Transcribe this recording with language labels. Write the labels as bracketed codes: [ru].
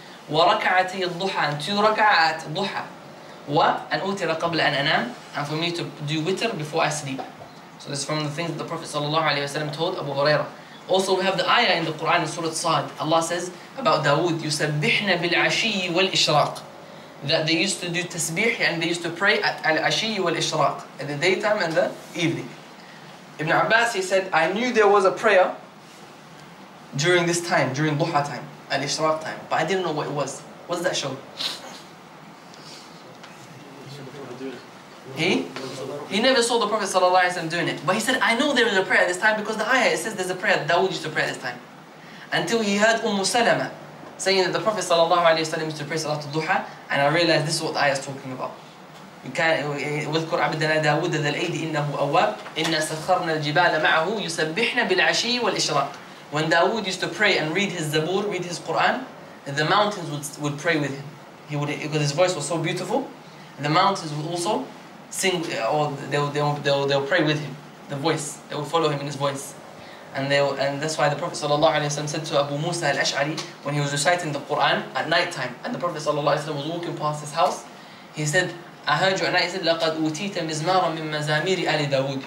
[ar] وركعتي الضحى, [en] and two ركعات الضحى. [ar] وأن أوتر قبل أن أنام, [en] and for me to do witr before I sleep. So this is from the things that the Prophet ﷺ told Abu Huraira. Also we have the ayah in the Quran in Surah Sa'd. Allah says about Dawood, [ar] يُسَبِّحْنَ بِالْعَشِيِّ وَالْإِشْرَاقِ. [en] That they used to do tasbih and they used to pray at al-ashiyyi wal-ishraq, at the daytime and the evening. Ibn Abbas, he said, I knew there was a prayer during this time, during duha time, al-ishraq time, but I didn't know what it was. What does that show? He never saw the Prophet sallallahu alaihi wasallam doing it. But he said, I know there is a prayer this time because the ayah, it says there's a prayer that Dawood used to pray this time. Until he heard Umm Salama saying that the Prophet sallallahu alaihi wasallam used to pray Salatul Duha, and I realized this is what the ayah is talking about. [ar] وذكر عبدنا داود ذا الأيدي إنه أواب إن سخرنا الجبال معه يسبحنا بالعشي والإشراق. [en] When Dawood used to pray and read his Zabur, read his Quran, the mountains would pray with him. He would, because his voice was so beautiful, the mountains would also sing, or they'll pray with him. The voice, they would follow him in his voice, and that's why the Prophet sallallahu alaihi wasallam said to Abu Musa al-Ash'ari when he was reciting the Quran at night time, and the Prophet sallallahu alaihi wasallam was walking past his house, he said, I heard you, and I said, [ar] لَقَدْ أُوْتِيْتَ مِزْمَارًا مِنْ مَزَامِيرِ آلِ دَاوُودِ.